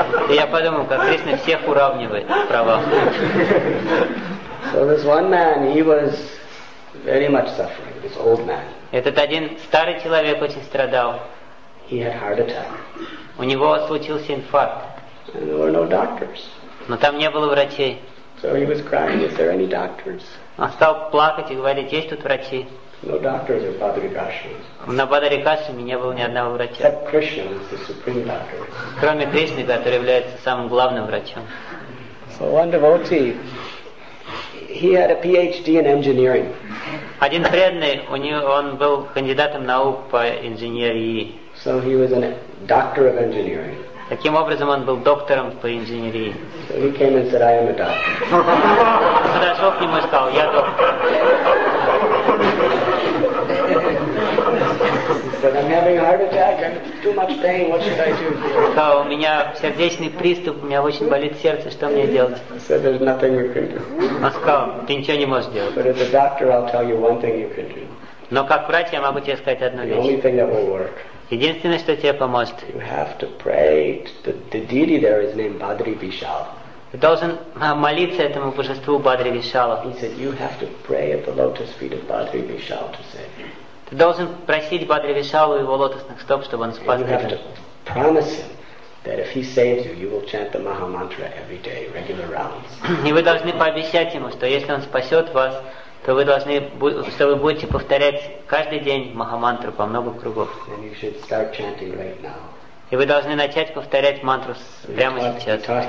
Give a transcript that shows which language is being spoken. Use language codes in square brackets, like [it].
[ru] И я подумал, как Кришна всех уравнивает в правах. [en] So this one man, he was very much suffering, this old man. [ru] Этот один старый человек очень страдал. [en] He had heart attack. [ru] У него случился инфаркт. [en] And there were no doctors. [ru] Но там не было врачей. [en] So he was crying, is there any doctors? [ru] Он стал плакать и говорить, есть тут врачи? [en] No doctors or Бадрикашвамис. [ru] На Бадрикашвами не было ни одного врача. [en] Except Krishna, who's the supreme doctor. [ru] Кроме Кришны, который является самым главным врачом. [en] So one devotee, he had a PhD in engineering. [ru] Один преданный, у него, он был кандидатом наук по инженерии. [en] So he was a doctor of engineering. [ru] Таким образом, он был доктором по инженерии. [en] So he came and said, I am a doctor. [ru] Подошел к нему и сказал, я доктор. [en] He said, I'm having a heart attack, I'm too much pain, what should I do? [ru] Сказал, у меня сердечный приступ, у меня очень болит сердце, что мне делать? [en] He said, there's nothing you can do. [ru] Он сказал, ты ничего не можешь делать. [en] But as a doctor, I'll tell you one thing you can do. [ru] Но как врач, я могу тебе сказать одну вещь. [en] The only thing that will work. [ru] Единственное, что тебе поможет. [en] You have to pray to the deity there is named Badri Vishala. [ru] Ты должен молиться этому божеству Бадри Вишала. [en] He said you have to pray at the lotus feet of Badri Vishala to save. [ru] Ты должен просить Бадри Вишалу его лотосных стоп, чтобы он спас тебя. [en] You have to promise him that if he saves you, you will chant the Maha Mantra every day, regular rounds. [ru] И вы должны пообещать ему, что если он спасет вас, то вы должны, что вы будете повторять каждый день Махамантру по много кругов. [en] Right. [ru] И вы должны начать повторять мантру прямо сейчас.